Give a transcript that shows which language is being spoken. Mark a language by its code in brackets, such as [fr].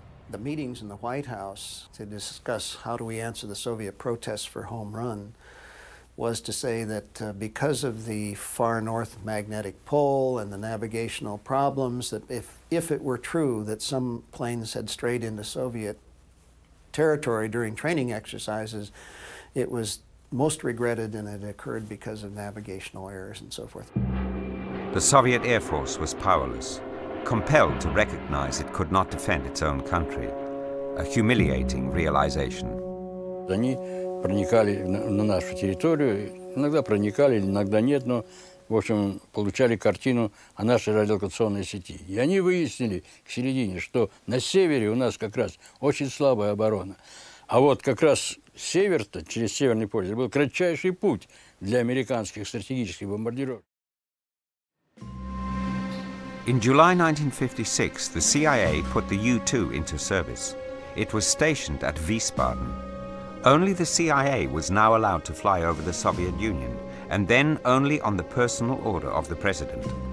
[en] The meetings in the White House to discuss how do we answer the Soviet protests for Home Run was to say that because of the far north magnetic pole and the navigational problems, that if it were true that some planes had strayed into Soviet territory during training exercises, it was most regretted and it occurred because of navigational errors and so forth. The Soviet Air Force was powerless, compelled to recognize it could not defend its own country. A humiliating realization. They [ru] проникали на нашу территорию, иногда проникали, иногда нет, но, в общем, получали картину о нашей радиолокационной сети. И они выяснили к середине, что на севере у нас как раз очень слабая оборона. А вот как раз север-то, через Северный полюс, был кратчайший путь для американских стратегических бомбардировок. [en] In July 1956, the CIA put the U-2 into service. It was stationed at Wiesbaden. Only the CIA was now allowed to fly over the Soviet Union, and then only on the personal order of the president.